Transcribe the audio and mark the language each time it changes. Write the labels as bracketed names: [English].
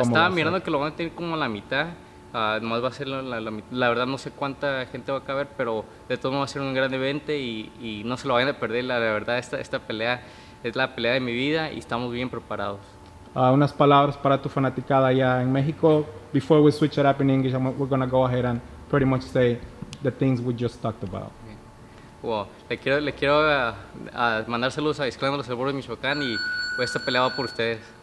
[Spanish] estaba mirando que lo van a tener como a la mitad. Nomás va a ser la verdad no sé cuánta gente va a caber, pero de todo modo va a ser un gran evento y no se lo vayan a perder. La verdad esta pelea es la pelea de mi vida y estamos bien preparados. Unas palabras para tu fanaticada allá en México. [English] Before we switch it up in English, we're going to go ahead and pretty much say the things we just talked about. [Spanish] Well, le quiero mandar saludos a Disclaimer los Sabores de Michoacán y pues, esta pelea va por ustedes.